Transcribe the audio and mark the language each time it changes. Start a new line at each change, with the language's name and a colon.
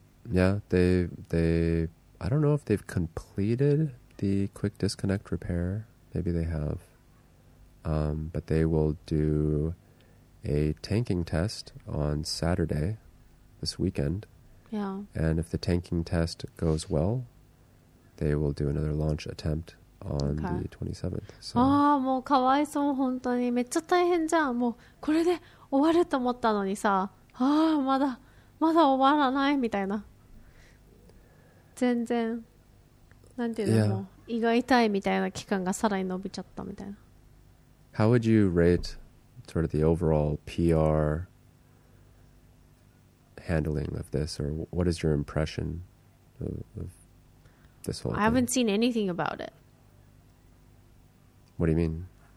English: Yeah, they I don't know if they've completed the quick disconnect repair. Maybe they have. But they will do a tanking test on Saturday this weekend. Yeah. And if the tanking test goes well, they will do another launch attempt on the 27th. So,
Japanese: ああ、もうかわいそう、本当に。めっちゃ大変じゃん。もうこれで終わると思ったのにさ。ああ、まだ、まだ終わらないみたいな。全然、なんていうの、yeah. もう胃が痛いみたいな期間がさらに伸びちゃったみたいな。
English: How would you rate sort of the overall PR handling of this, or what is your impression of this whole thing? I haven't seen anything about it. What do you mean?